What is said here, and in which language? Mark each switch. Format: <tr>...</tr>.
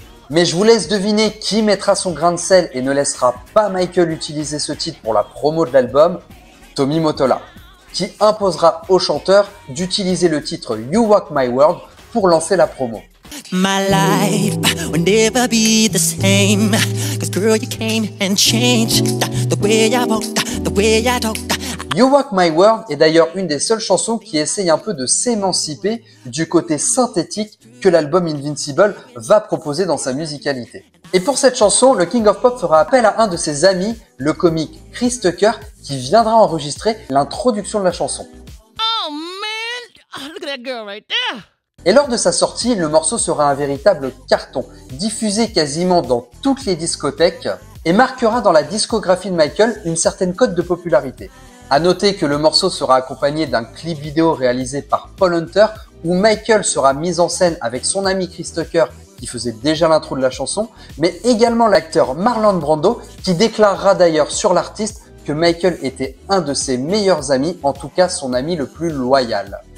<fr>Mais je vous laisse deviner qui mettra son grain de sel et ne laissera pas Michael utiliser ce titre pour la promo de l'album, Tommy Mottola, qui imposera au chanteur d'utiliser le titre You Rock My World pour lancer la promo.</fr> <en>My life will never be the same. Cause girl, you came and changed the way I walk, the way I talk.</en> <fr>You Rock My World est d'ailleurs une des seules chansons qui essaye un peu de s'émanciper du côté synthétique que l'album Invincible va proposer dans sa musicalité. Et pour cette chanson, le King of Pop fera appel à un de ses amis, le comique Chris Tucker, qui viendra enregistrer l'introduction de la chanson.</fr> <en>Oh man, look at that girl right there.</en> <fr>Et lors de sa sortie, le morceau sera un véritable carton, diffusé quasiment dans toutes les discothèques et marquera dans la discographie de Michael une certaine cote de popularité. À noter que le morceau sera accompagné d'un clip vidéo réalisé par Paul Hunter où Michael sera mis en scène avec son ami Chris Tucker qui faisait déjà l'intro de la chanson, mais également l'acteur Marlon Brando qui déclarera d'ailleurs sur l'artiste que Michael était un de ses meilleurs amis, en tout cas son ami le plus loyal.</fr>